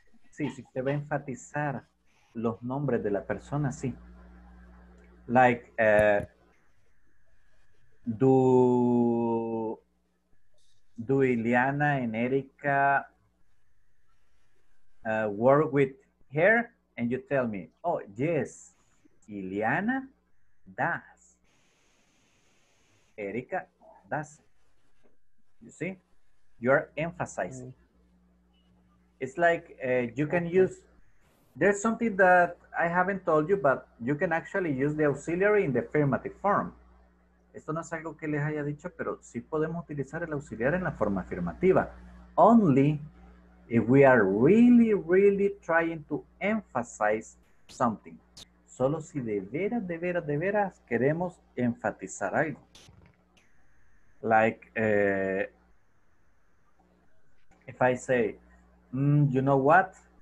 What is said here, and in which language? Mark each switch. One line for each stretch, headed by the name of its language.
Spanish: Sí, si te va a enfatizar los nombres de la persona, sí.
English: Like, do Ileana and Erika work with her? And you tell me, oh, yes, Ileana does. Erika does. You see? You're emphasizing. Mm-hmm. It's like you can use, there's something that I haven't told you, but you can actually use the auxiliary in the affirmative form.
Spanish: Esto no es algo que les haya dicho, pero sí podemos utilizar el auxiliar en la forma afirmativa.
English: Only if we are really, really trying to emphasize something.
Spanish: Solo si de veras, de veras, de veras queremos enfatizar algo.
English: Like, if I say, you know what?